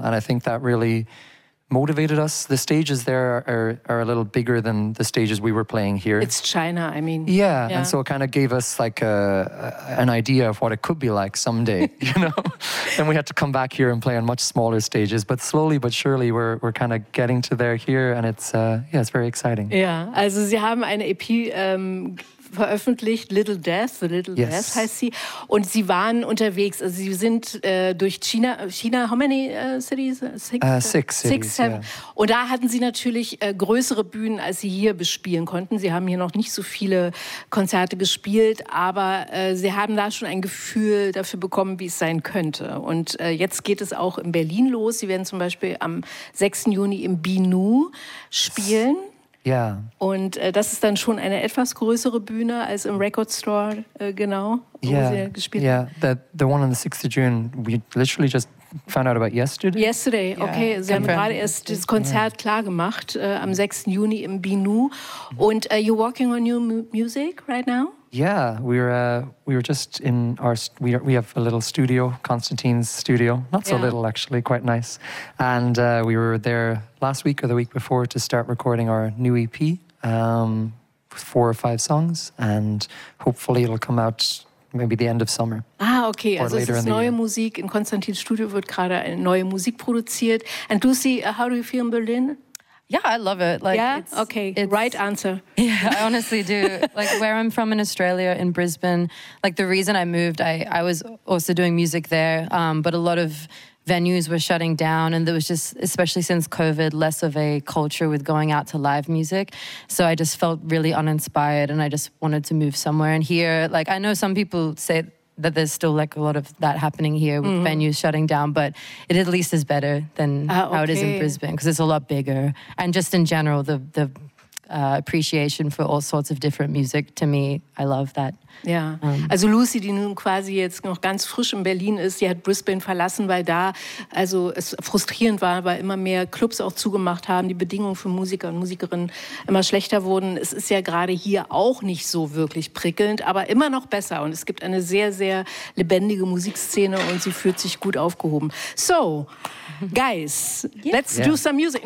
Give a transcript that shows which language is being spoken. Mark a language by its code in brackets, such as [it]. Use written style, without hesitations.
[en] And I think that really motivated us. The stages there are a little bigger than the stages we were playing here. It's China, I mean. Yeah, yeah. And so it kind of gave us like an idea of what it could be like someday, you know. And we had to come back here and play on much smaller stages. But slowly but surely we're kind of getting to there here and it's very exciting. [de] Yeah, also Sie haben eine EP veröffentlicht, Little Death, The Little [en] yes. [de] Death heißt sie. Und sie waren unterwegs, also sie sind durch China, [en] how many cities? Six cities. [de] Und da hatten sie natürlich größere Bühnen, als sie hier bespielen konnten. Sie haben hier noch nicht so viele Konzerte gespielt, aber sie haben da schon ein Gefühl dafür bekommen, wie es sein könnte. Und jetzt geht es auch in Berlin los. Sie werden zum Beispiel am 6. Juni im Binu spielen. Ja. Und das ist dann schon eine etwas größere Bühne als im Record Store, genau, wo sie gespielt haben. [en] Yeah, the one on the 6th of June, we literally just found out about yesterday. Yesterday, yeah. Okay. [de] Sie haben gerade erst das Konzert klar gemacht, am 6. Juni im Binu. [en] Und you're working on new music right now? Yeah, we were just in our we have a little studio, Constantine's studio, not so little actually, quite nice, and we were there last week or the week before to start recording our new EP, 4 or 5 songs, and hopefully it'll come out maybe the end of summer. [de] Ah, okay, also es ist neue Musik in Constantine's studio wird gerade eine neue Musik produziert. [en] And Lucy, how do you feel in Berlin? Yeah, I love it. Like, it's right answer. Yeah, I honestly do. Like, where I'm from in Australia, in Brisbane, like the reason I moved, I was also doing music there, but a lot of venues were shutting down and there was just, especially since COVID, less of a culture with going out to live music. So I just felt really uninspired and I just wanted to move somewhere. And here, like, I know some people say that there's still like a lot of that happening here with venues shutting down, but it at least is better than how it is in Brisbane because it's a lot bigger. And just in general, the appreciation for all sorts of different music, to me, I love that. [de] Ja, also Lucy, die nun quasi jetzt noch ganz frisch in Berlin ist, die hat Brisbane verlassen, weil da, also es frustrierend war, weil immer mehr Clubs auch zugemacht haben, die Bedingungen für Musiker und Musikerinnen immer schlechter wurden. Es ist ja gerade hier auch nicht so wirklich prickelnd, aber immer noch besser und es gibt eine sehr, sehr lebendige Musikszene und sie fühlt sich gut aufgehoben. [en] So, guys, let's do some music.